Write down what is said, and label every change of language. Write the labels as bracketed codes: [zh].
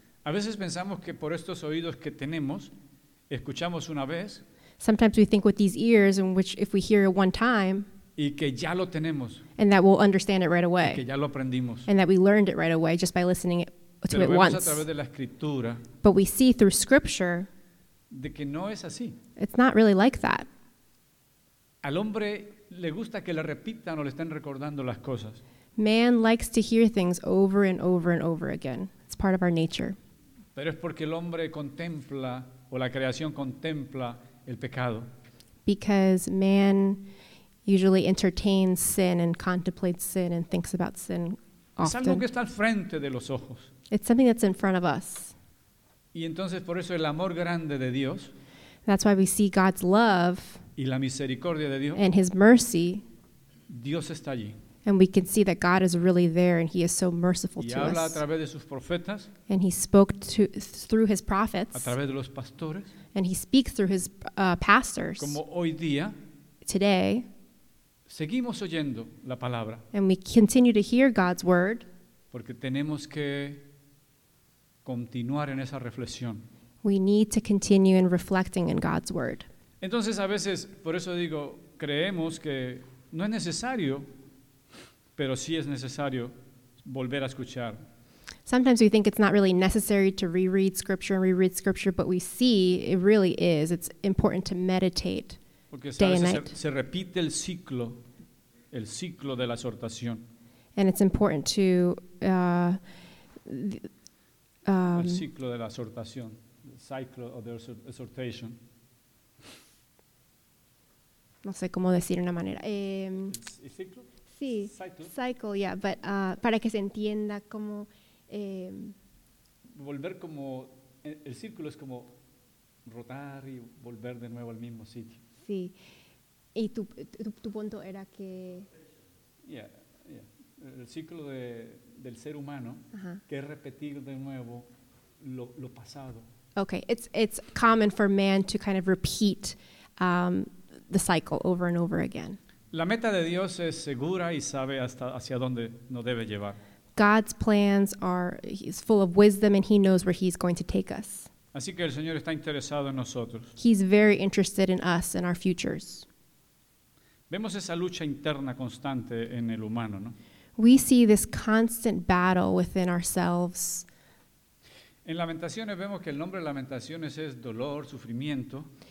[es] A veces pensamos que por estos oídos que tenemos, escuchamos una vez. [en] Sometimes we think with these ears, in which if we hear it one time, [es] y que ya lo tenemos, [en] and that we'll understand it right away, [es] que ya lo aprendimos, [en] and that we learned it right away just by listening to [es] pero [en] it [es] vemos [en] once. [es] A través de la escritura, [en] but we see through Scripture [es] de que no es así. [en] It's not really like that. [es] Al hombre le gusta que le repitan o le estén recordando las cosas. [en] Man likes to hear things over and over and over again. It's part of our nature. [es] Pero es porque el hombre contempla o la creación contempla el pecado. [en] Because man usually entertains sin and contemplates sin and thinks about sin often. [es] Es algo que está al frente de los ojos. [en] It's something that's in front of us. [es] Y entonces por eso el amor grande de Dios. [en] That's why we see God's love. [es] Y la misericordia de Dios. [en] And his mercy. [es] Dios está allí. [en] And we can see that God is really there and he is so merciful [es] y [en] to [es] habla [en] us. [es] A través de sus profetas. [en] And he spoke to through his prophets. [es] A través de los pastores. [en] And he speaks through his pastors. [es] Como hoy día. [en] Today. [es] Seguimos oyendo la palabra. [en] And we continue to hear God's word. [es] Porque tenemos que continuar en esa reflexión. [en] We need to continue in reflecting in God's word. [es] Entonces a veces, por eso digo, creemos que no es necesario, pero sí es necesario volver a escuchar. [en] Sometimes we think it's not really necessary to reread scripture and reread scripture, but we see it really is. It's important to meditate [es] porque [en] day and night. [es] Se repite el ciclo de la exhortación. [en] And it's important to... [es] el ciclo de la exhortación. [en] Cycle of the exhortation. [es] No sé cómo decir una manera. ¿Ciclo? Sí, [en] cycle, yeah, but [es] para que se entienda como... volver como... El círculo es como rotar y volver de nuevo al mismo sitio. Sí. Y tu punto era que... Yeah, yeah. El ciclo del ser humano, uh-huh. Que es repetir de nuevo lo pasado. [en] Okay, it's common for man to kind of repeat the cycle over and over again. [es] La meta de Dios es segura y sabe hasta hacia dónde nos debe llevar. [en] God's plans are, he's full of wisdom and he knows where he's going to take us. [es] Así que el Señor está interesado en nosotros. [en] He's very interested in us and our futures. [es] Vemos esa lucha interna constante en el humano, ¿no? [en] We see this constant battle within ourselves. [es] En Lamentaciones vemos que el nombre de Lamentaciones es dolor, sufrimiento.